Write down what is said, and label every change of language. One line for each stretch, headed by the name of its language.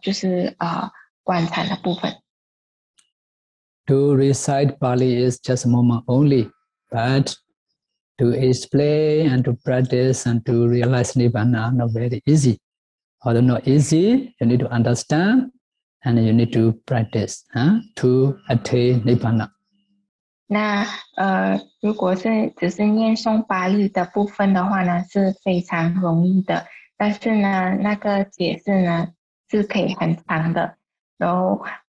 Chinese: 刚才我们所念诵的呢，就是三随观音度安般念解，然后其他都有重复了几次这个经的巴利名字，就是盖亚努巴萨那安那巴那巴巴。然后里面讲的呢是关于安般念这个今天会讲的是关于安般念，然后刚才我们有念到就是观禅的部分。
English: To recite Pali is just a moment only, but to explain and to practice and to realize Nibbana are not very easy. Although not easy, you need to understand and you need to practice to attain Nibbana.
Chinese: 那如果是只是念诵巴利的部分的话呢，是非常容易的，但是呢，那个解释呢，是可以很长的，然后。